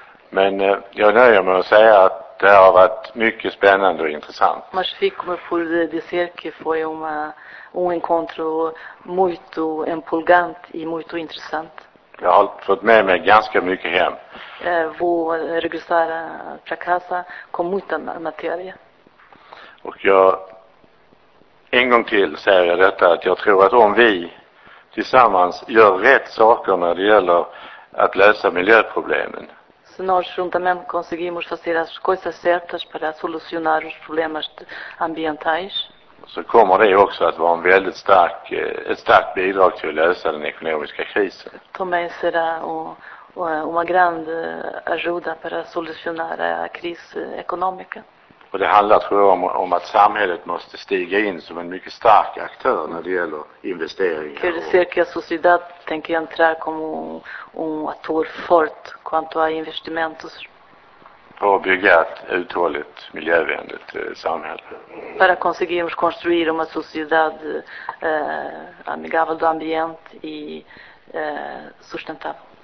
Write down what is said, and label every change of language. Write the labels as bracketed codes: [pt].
[sv] Men jag nöjer mig att säga att det har varit mycket spännande och intressant. [pt] Mas fico me por dizer que foi um encontro muito empolgante e muito interessante. [sv] Jag har fått med mig ganska mycket hem. [pt] Vou regressar para casa com muita matéria. [sv] Och jag en gång till säger jag detta, att jag tror att om vi tillsammans gör rätt saker när det gäller att lösa miljöproblemen. [pt] Se nós juntamente conseguimos fazer as coisas certas para solucionar os problemas ambientais. [sv] Så kommer det också att vara en väldigt stark, ett starkt bidrag till att lösa den ekonomiska krisen. [pt] Também será uma grande ajuda para solucionar a crise económica. [sv] Och det handlar, tror jag, om att samhället måste stiga in som en mycket stark aktör när det gäller investeringar. [pt] Quer dizer que a sociedade tem que entrar como um ator forte quanto a investimentos. [sv] För att bygga ett uthålligt, miljövänligt samhälle. För att [pt] conseguirmos construir uma sociedade amigável do ambiente e sustentável.